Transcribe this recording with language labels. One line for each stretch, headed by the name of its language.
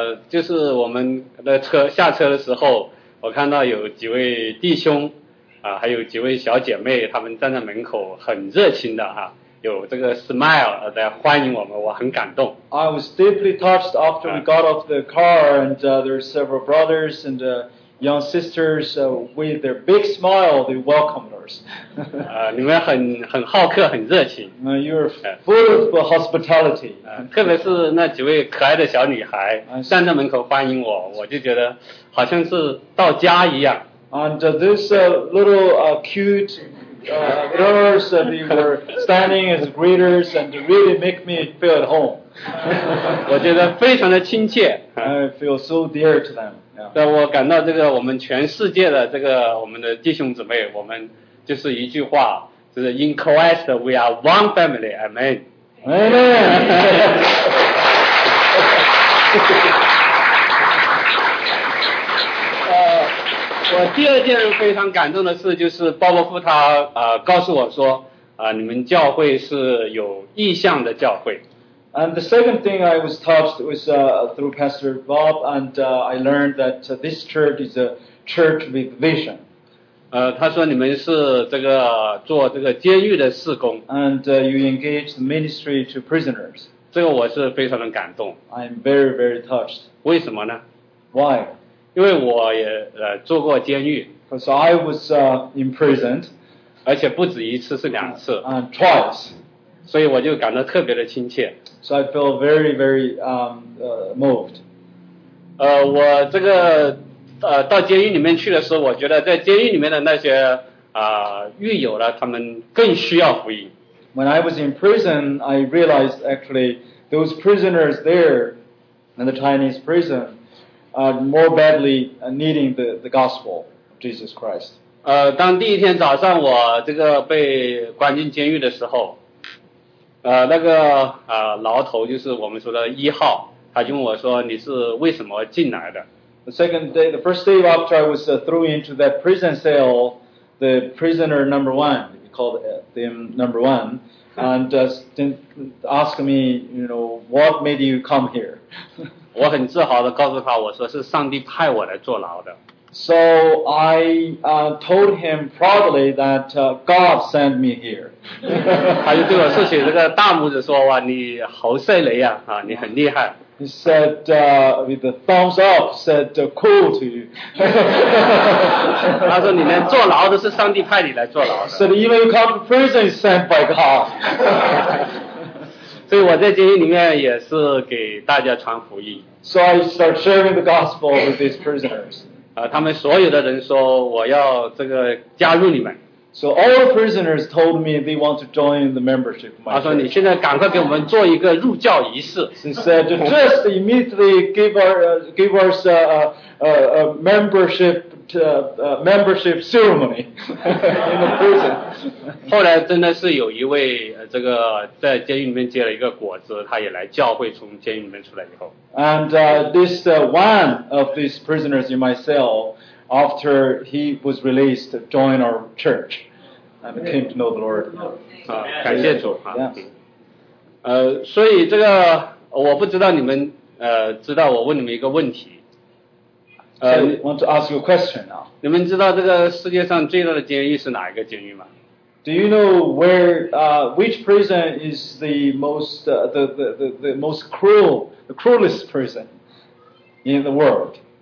Chinese: 就是我们的车下车的时候，我看到有几位弟兄。还有几位小姐妹，她们站在门口，很热情的哈，有这个 smile 在欢迎我们，我很感动。
English: I was deeply touched after we got off the car, and there were several brothers and young sisters with their big smile, they welcomed us.
Chinese: 你们很好客，很热情。
English: You're full of hospitality.
Chinese: 特别是那几位可爱的小女孩站在门口欢迎我，我就觉得好像是到家一样。
English: And this little cute girls, they were standing as greeters and really make me feel at home.
Chinese: 我觉得非常的亲切。
English: I feel so dear to them.
Chinese: 但我感到这个我们全世界的这个我们的弟兄姊妹，我们就是一句话，就是
English: In Christ we are one family. Amen. Amen.
Chinese: 我第二件非常感动的事就是鲍伯夫他告诉我说你们教会是有意向的教会。
English: And the second thing I was touched was through Pastor Bob, and I learned that this church is a church with vision.
Chinese: 他说你们是这个做这个监狱的事工。
English: And you engage the ministry to prisoners.
Chinese: 这个我是非常的感动。
English: I'm very, very touched.
Chinese: 为什么呢？
English: Why?
Chinese: 因为我也做过监狱
English: ，so I was imprisoned，
Chinese: 而且不止一次，是两次
English: ，twice，
Chinese: 所以我就感到特别的亲切
English: ，so I feel very very moved。
Chinese: 我这个到监狱里面去的时候，我觉得在监狱里面的那些狱友呢，他们更需要福音。
English: When I was in prison, I realized actually those prisoners there in the Chinese prison. More badly needing the gospel of Jesus Christ.
Chinese: 当第一天早上我这个被关进监狱的时候，那个牢头就是我们说的一号，他就问我说你是为什么进来的
English: ？The second day, the first day after I was thrown into that prison cell, the prisoner number one, we called them number one, and just asked me, you know, what made you come here?
Chinese: 我很自豪地告诉他，我说是上帝派我来坐牢的。
English: So I told him proudly that God sent me here.
Chinese: 他就对我竖起这个大拇指说，哇，你侯赛雷啊，你很厉害。
English: He said with the thumbs up, said cool to you.
Chinese: 他说你连坐牢都是上帝派你来坐牢的。
English: Said even you come to prison sent by God.
Chinese: 所以我在监狱里面也是给大家传福音。
English: So I start sharing the gospel with these prisoners.
Chinese: 他们所有的人说我要这个加入你们。
English: So all the prisoners told me they want to join the membership.
Chinese: 他说你现在赶快给我们做一个入教仪式。
English: He said just immediately give us a membership. Membership ceremony in the prison.
Chinese: 后来真的是有一位这个在监狱里面结了一个果子，他也来教会。从监狱里面出来以后
English: ，and this one of these prisoners in my cell, after he was released, joined our church and came to know the Lord.
Chinese: 感谢主哈。
English: Yeah.
Chinese: 所以这个我不知道你们知道我问你们一个问题。
English: I want to ask you a question now.
Chinese: 你们知道这个世界上最大的监狱是哪一个监狱吗？
English: Do you know which prison is the most the most cruel, the cruelest prison in the world?